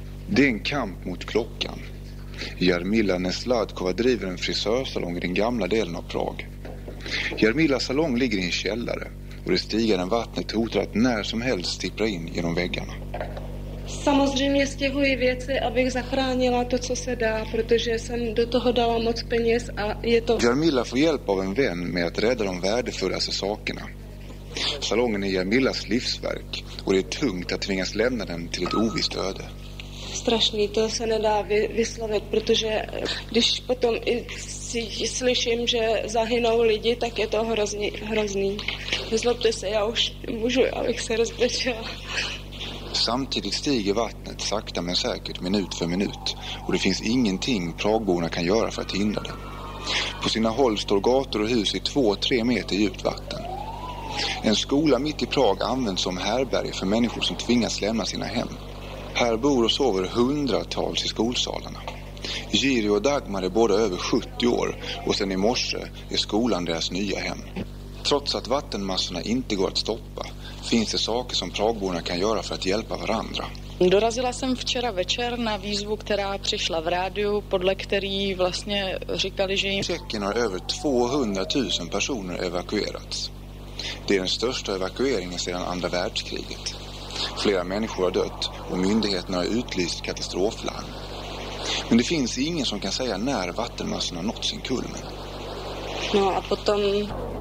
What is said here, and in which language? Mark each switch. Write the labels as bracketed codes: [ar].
[sv] Det är en kamp mot klockan. Jarmila Nesladkova driver en frisörsalong i den gamla delen av Prag. Jarmilas salong ligger i en källare och det stigande vattnet hotar att när som helst stippra in genom väggarna. [cs] Samozřejmě stěhuji věci, abych zachránila to, co se dá, protože jsem do toho dala moc peněz a je to. [sv] Jarmila får hjälp av en vän med att rädda de värdefullaste sakerna. Salongen är Jarmilas livsverk och det är tungt att tvingas lämna den till ett ovisst öde. [cs] Strašný, to se nedá vyslovit, protože když potom slyším, že zahynou lidi, tak je to hrozný. Zlobte se, já už můžu, abych se rozbrečela. [sv] Samtidigt stiger vattnet sakta men säkert minut för minut och det finns ingenting pragborna kan göra för att hindra det. På sina håll står gator och hus i 2-3 meter djupt vatten. En skola mitt i Prag används som härberg för människor som tvingas lämna sina hem. Här bor och sover hundratals i skolsalarna. Jiri och Dagmar är båda över 70 år och sedan i morse är skolan deras nya hem. Trots att vattenmassorna inte går att stoppa finns det saker som pragborna kan göra för att hjälpa varandra. [cs] Dorazila jsem včera večer na výzvu, která přišla v rádiu, podle který vlastně říkali, že jim... [sv] Tjeckien har över 200 000 personer evakuerats. Det är den största evakueringen sedan andra världskriget. Flera människor har dött och myndigheterna har utlyst katastroflarm. Men det finns ingen som kan säga när vattenmassan har nått sin kulmen.